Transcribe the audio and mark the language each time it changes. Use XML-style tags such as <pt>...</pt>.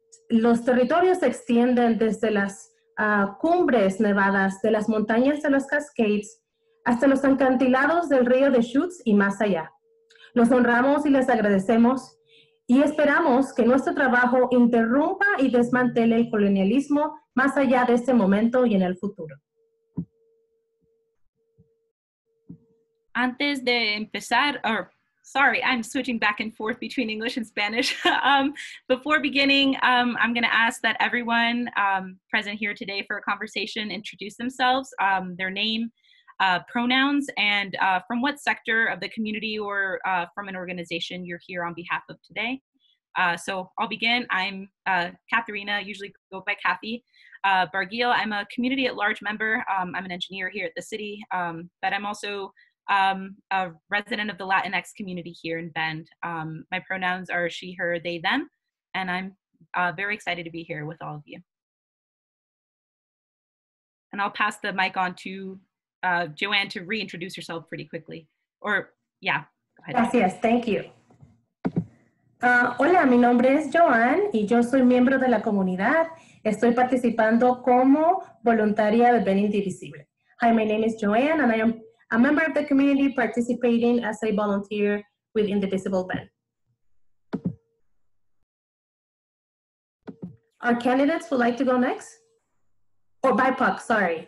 <es>Los territorios se extienden desde las cumbres nevadas de las montañas de los Cascades hasta los acantilados del río de Deschutes y más allá. Los honramos y les agradecemos y esperamos que nuestro trabajo interrumpa y desmantele el colonialismo más allá de este momento y en el futuro. Antes de empezar,</es> <en>or sorry, I'm switching back and forth between English and Spanish. before beginning, I'm going to ask that everyone present here today for a conversation introduce themselves, their name, pronouns, and from what sector of the community or from an organization you're here on behalf of today. So I'll begin. I'm Katharina, usually go by Kathy. Barguil, I'm a community at large member. I'm an engineer here at the city, but I'm also a resident of the Latinx community here in Bend. My pronouns are she, her, they, them, and I'm very excited to be here with all of you. And I'll pass the mic on to Joanne to reintroduce herself pretty quickly. Go ahead.</en> <es>Gracias,</es> <en>thank you.</en> <es>Hola, mi nombre es Joanne y yo soy miembro de la comunidad. Estoy participando como voluntaria de Ben Indivisible.</es> <en>Hi, my name is Joanne and I am a member of the community participating as a volunteer with Indivisible Ben. Our candidates would like to go next? Or BIPOC, sorry.</en>